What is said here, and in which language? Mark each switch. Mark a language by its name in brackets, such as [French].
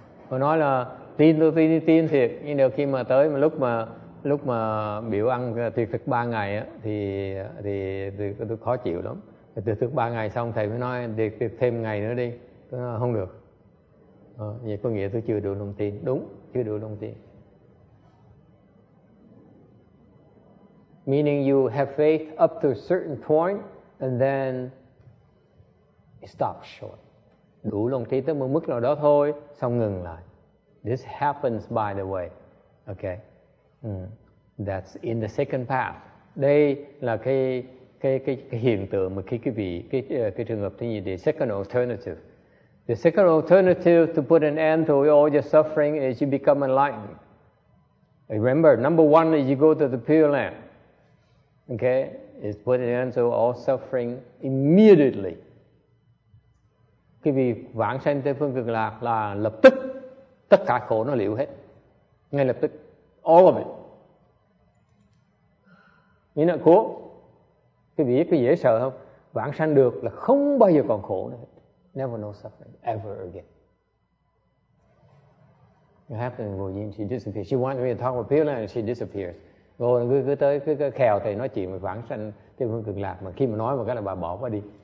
[Vietnamese] Cô nói là tin thiệt, nhưng đôi khi mà tới lúc mà biểu ăn thiệt thực 3 ngày á, thì tôi khó chịu lắm. Thiệt thực 3 ngày xong thầy mới nói thiệt thêm ngày nữa đi. Tôi nói không được. Vậy có nghĩa tôi chưa đủ lòng tin. Đúng, chưa đủ lòng tin. [English] Meaning you have faith up to a certain point and then it stops short. [Vietnamese] Đủ lòng tin tới một mức nào đó thôi, xong ngừng lại. [English] This happens by the way. Okay. That's in the second path. [Vietnamese] Đây là cái hiện tượng mà cái trường hợp thứ nhì, [English] the second alternative. The second alternative to put an end to all your suffering is you become enlightened. Remember, number one is you go to the Pure Land. Okay? It's put an end to all suffering immediately. [Vietnamese] Cái vị vãng sanh tới phương cực lạc là lập tức tất cả khổ nó liễu hết, ngay lập tức, [English] all of it. [Vietnamese] Như nào cố, cái vị có dễ sợ không? Vãng sanh được là không bao giờ còn khổ nữa, [English] never no suffering ever again. What happened to Vujin? She disappears. She wanted me to talk with Pilan and she disappears. [Vietnamese] Rồi cứ tới cứ khèo thầy nói chuyện về vãng sanh tới phương cực lạc, mà khi mà nói một cái là bà bỏ qua đi.